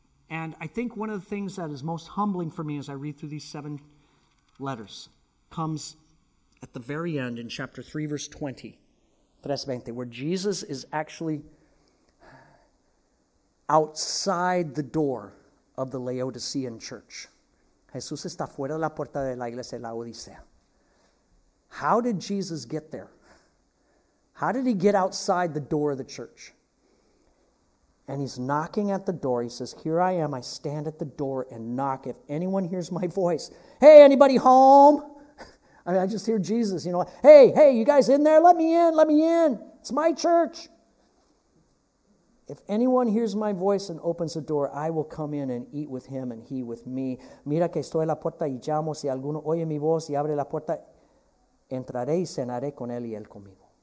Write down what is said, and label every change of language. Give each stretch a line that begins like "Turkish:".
English: And I think one of the things that is most humbling for me as I read through these seven letters comes at the very end in chapter 3, verse 20, Presbente, where Jesus is actually outside the door of the Laodicean church.
Spanish: Jesús está fuera de la puerta de la iglesia de la Odisea.
English: How did Jesus get there? How did he get outside the door of the church? And he's knocking at the door. He says, here I am. I stand at the door and knock. If anyone hears my voice, hey, anybody home? I mean, I just hear Jesus, you know, hey, you guys in there? Let me in. It's my church. If anyone hears my voice and opens the door, I will come in and eat with him and he with me.
Spanish: Mira que estoy a la puerta y llamo. Si alguno oye mi voz y abre la puerta, entraré y cenaré con él y él conmigo.